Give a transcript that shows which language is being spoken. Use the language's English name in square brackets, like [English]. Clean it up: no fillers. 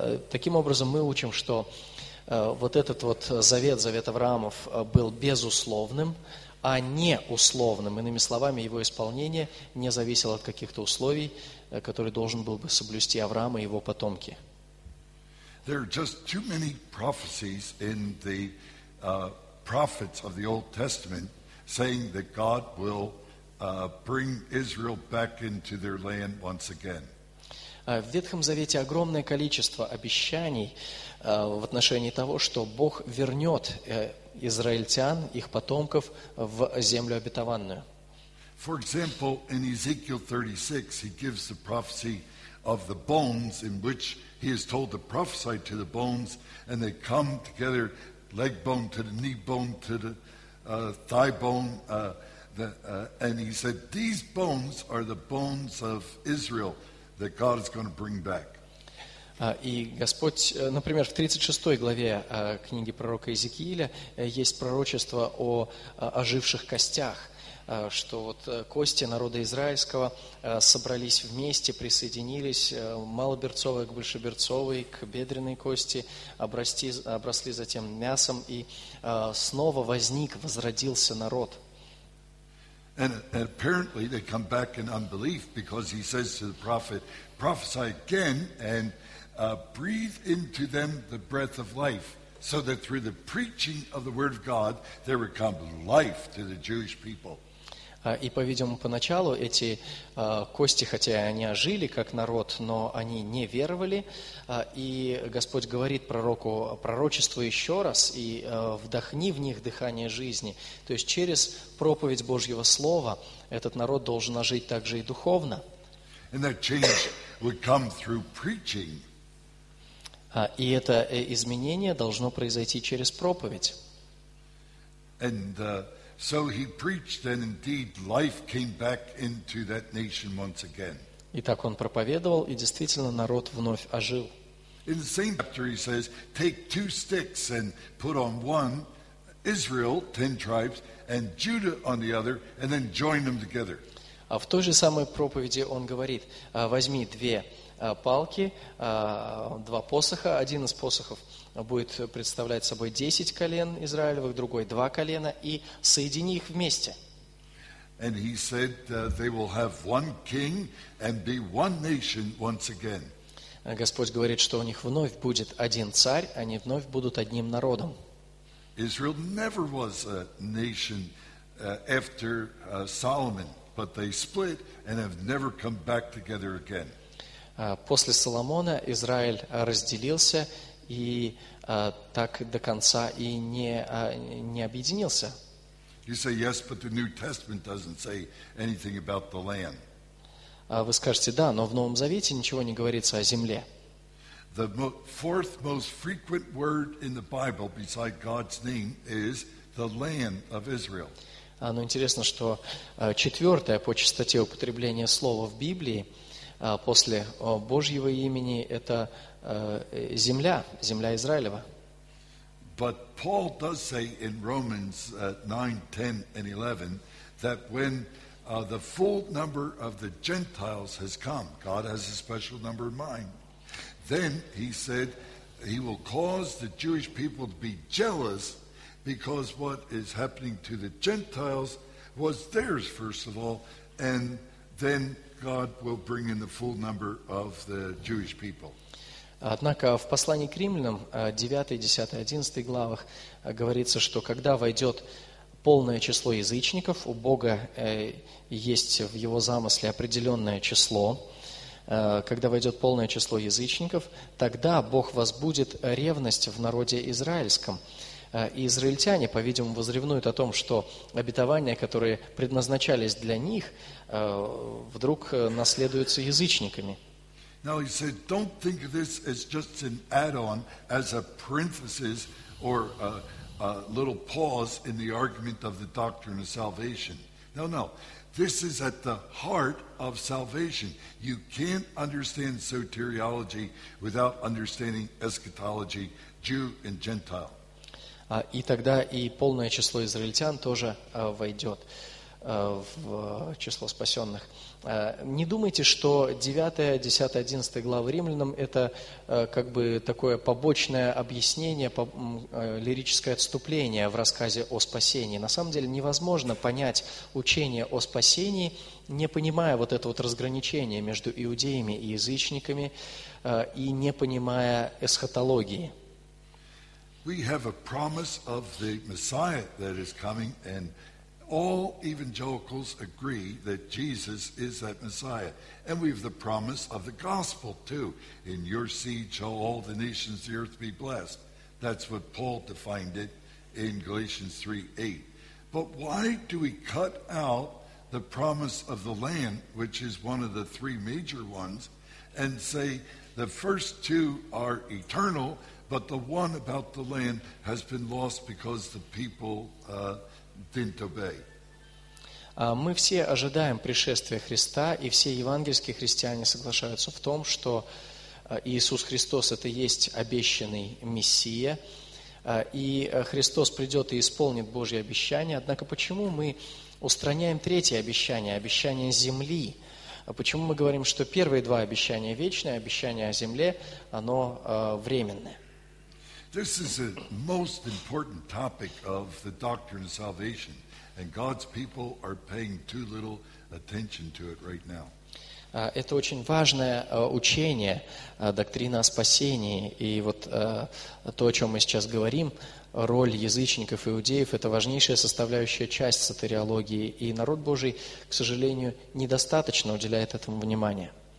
[Russian] Таким образом, мы учим, что вот этот вот завет, завет Авраамов, был безусловным, а не условным. Иными словами, его исполнение не зависело от каких-то условий, которые должен был бы соблюсти Авраам и его потомки. [English] There are just too many prophecies in the prophets of the Old Testament saying that God will bring Israel back into their land once again. [Russian] В Ветхом Завете огромное количество обещаний в отношении того, что Бог вернет израильтян, их потомков, в землю обетованную. [English] For example, in Ezekiel 36, he gives the prophecy of the bones, in which he is told to prophesy to the bones, and they come together, leg bone to the knee bone to the thigh bone, and he said, these bones are the bones of Israel that God is going to bring back. [Russian] И Господь, например, в 36 главе книги пророка Иезекииля есть пророчество о оживших костях, что вот кости народа израильского собрались вместе, присоединились, малоберцовые к большеберцовой, к бедренной кости, обросли затем мясом, и снова возник, возродился народ. [English] And apparently they come back in unbelief because he says to the prophet, prophesy again and breathe into them the breath of life, so that through the preaching of the word of God there would come life to the Jewish people. [Russian] И, по-видимому, поначалу эти кости, хотя они ожили как народ, но они не веровали. И Господь говорит пророку пророчество еще раз, и вдохни в них дыхание жизни. То есть через проповедь Божьего Слова этот народ должен ожить также и духовно. [English] And that change would come through preaching. [Russian] И это изменение должно произойти через проповедь. [English] And, so he preached, and indeed life came back into that nation once again. [Russian] Итак, он проповедовал, и действительно народ вновь ожил. [English] In the same chapter he says, take two sticks and put on one, Israel, 10 tribes, and Judah on the other, and then join them together. [Russian] А в той же самой проповеди он говорит, возьми две палки, два посоха, один из посохов будет представлять собой 10 колен Израилевых, другой 2 колена, и соедини их вместе. [English] And he said they will have one king and be one nation once again. [Russian] Господь говорит, что у них вновь будет один царь, они вновь будут одним народом. [English] Israel never was a nation after Solomon, but they split and have never come back together again. [Russian] После Соломона Израиль разделился и так до конца и не объединился. [English] You say, yes, but the New Testament doesn't say anything about the land. [Russian] Вы скажете, да, но в Новом Завете ничего не говорится о земле. [English] The fourth most frequent word in the Bible beside God's name is the land of Israel. [Russian] Но интересно, что четвертое по частоте употребления слова в Библии после Божьего имени – это земля, земля Израилева. [English] But Paul does say in Romans 9, 10, and 11 that when the full number of the Gentiles has come, God has a special number in mind, then he said he will cause the Jewish people to be jealous because what is happening to the Gentiles was theirs, first of all, and then God will bring in the full number of the Jewish people. [Russian] Однако в послании к римлянам, 9, 10, 11 главах, говорится, что когда войдет полное число язычников, у Бога есть в его замысле определенное число, когда войдет полное число язычников, тогда Бог возбудит ревность в народе израильском. И израильтяне, по-видимому, возревнуют о том, что обетования, которые предназначались для них, вдруг наследуются язычниками. [English] Now he said, don't think of this as just an add-on, as a parenthesis or a little pause in the argument of the doctrine of salvation. No, no. This is at the heart of salvation. You can't understand soteriology without understanding eschatology, Jew and Gentile. [Russian] И тогда и полное число израильтян тоже войдет в число спасенных. Не думайте, что 9, 10, 11 главы Римлянам – это как бы такое побочное объяснение, лирическое отступление в рассказе о спасении. На самом деле невозможно понять учение о спасении, не понимая вот это вот разграничение между иудеями и язычниками и не понимая эсхатологии. [English] We have a promise of the Messiah that is coming, and all evangelicals agree that Jesus is that Messiah. And we have the promise of the gospel too. In your seed shall all the nations of the earth be blessed. That's what Paul defined it in Galatians 3:8. But why do we cut out the promise of the land, which is one of the three major ones, and say the first two are eternal, but the one about the land has been lost because the people didn't obey? [Russian] Мы все ожидаем пришествия Христа, и все евангельские христиане соглашаются в том, что Иисус Христос – это есть обещанный Мессия, и Христос придет и исполнит Божье обещание. Однако почему мы устраняем третье обещание, обещание земли? Почему мы говорим, что первые два обещания вечные, обещание о земле, оно временное? [English] This is the most important topic of the doctrine of salvation, and God's people are paying too little attention to it right now. [Russian] Это очень важное учение, доктрина о спасении, и вот то, о чем мы сейчас говорим, роль язычников и иудеев, это важнейшая составляющая часть сотериологии, и народ Божий, к сожалению, недостаточно уделяет этому внимания.